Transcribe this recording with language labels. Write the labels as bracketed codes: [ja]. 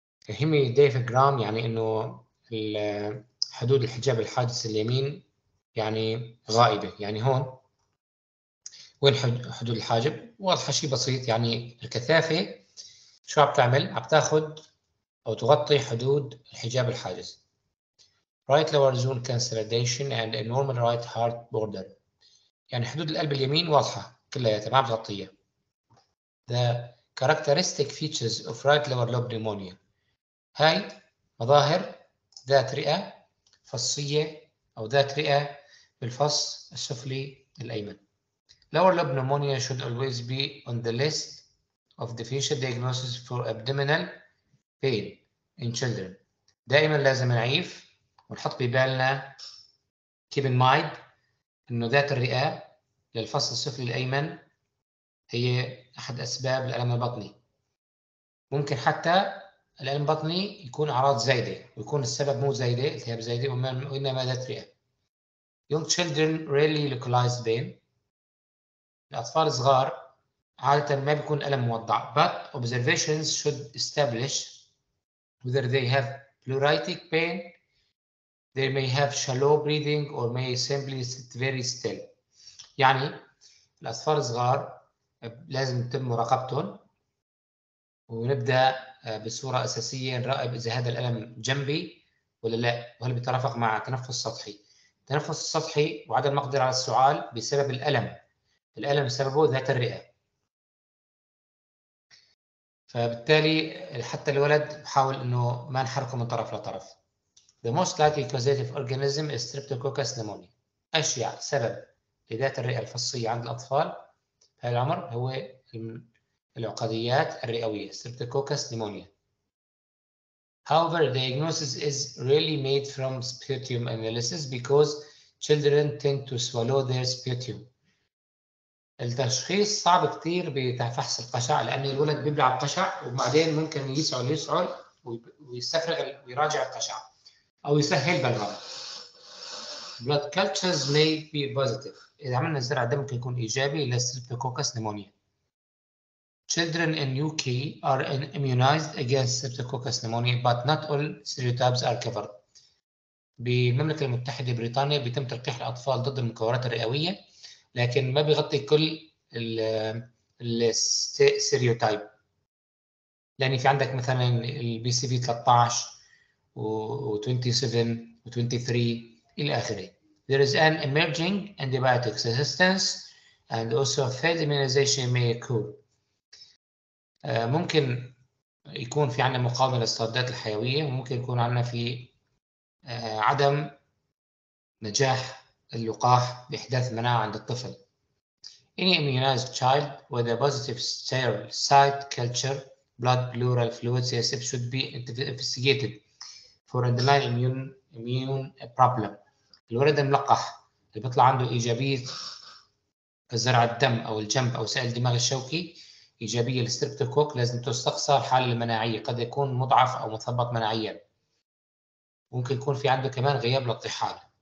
[ar] Hemidiagram يعني إنه حدود الحجاب الحادث اليمين يعني غائبة، يعني هون وين حدود الحاجب؟ واضح شيء بسيط، يعني الكثافة شو عم تعمل؟ عم تاخذ أو تغطي حدود الحجاب الحاجز. [en] Right lower zone consolidation and a normal right heart border. [ar] يعني حدود القلب اليمين واضحة كلها ما بتغطيها. [en] The characteristic features of right lower lobe pneumonia. [ar] هاي مظاهر ذات رئة فصية أو ذات رئة بالفص السفلي الأيمن. [en] Lower lobe pneumonia should always be on the list of differential diagnosis for abdominal pain in children. [ar] دائما لازم نعيف ونحط ببالنا [en] keep in mind [ar] إنه ذات الرئة للفص السفلي الأيمن هي أحد أسباب الألم البطني. ممكن حتى الألم البطني يكون أعراض زايدة ويكون السبب مو زايدة، التهاب زايدة، وإنما ذات رئة. [en] Young children rarely localized pain. [ar] الأطفال الصغار عادة ما بيكون ألم موضع. [en] But observations should establish whether they have pleuritic pain, they may have shallow breathing, or may simply sit very still. [ar] يعني الأطفال الصغار لازم تتم مراقبتهم، ونبدأ بصورة أساسية نراقب إذا هذا الألم جنبي ولا لا، وهل بيترافق مع تنفس سطحي. التنفس السطحي وعدم مقدرة على السعال بسبب الألم، الألم سببه ذات الرئة. فبالتالي حتى الولد بحاول إنه ما نحركه من طرف لطرف. [en] The most likely causative organism is Streptococcus pneumoniae. [ar] أشيع سبب لذات الرئة الفصية عند الأطفال في هذا العمر هو العقديات الرئوية Streptococcus pneumoniae. [en] However, the diagnosis is really made from sputum analysis because children tend to swallow their sputum. [ar] التشخيص صعب كتير بفحص القشع، لأن الولد بيبلع القشع وبعدين ممكن يسعل ويستفرغ ويراجع القشع أو يسهل بالغلط. [en] Blood cultures may be positive. [ar] إذا عملنا زرع دم ممكن يكون إيجابي لستريبتوكوكس نيمونيا. [en] Children in UK are immunized against streptococcus pneumonia, but not all serotypes are covered. [ar] بالمملكة المتحدة بريطانيا بيتم تلقيح الأطفال ضد المكورات الرئوية، لكن ما بيغطي كل السيريوتايب، لأن في عندك مثلا البي سي في 13 و 27 و 23 إلى آخره. [en] There is an emerging antibiotics resistance and also failed immunization may occur. [ar] ممكن يكون في عنا مقاومة للصيدليات الحيوية، وممكن يكون عنا في عدم نجاح اللقاح بإحداث مناعة عند الطفل. [en] Any immunized child with a positive sterile site culture blood pleural fluid CSF should be investigated for underlying immune problem. [ar] الولد الملقح اللي بيطلع عنده إيجابية زرع الدم أو الجنب أو سائل الدماغ الشوكي إيجابية للستريبتوكوك لازم تستقصى الحالة المناعية، قد يكون مضعف أو مثبط مناعيا، ممكن يكون في عنده كمان غياب للطحال.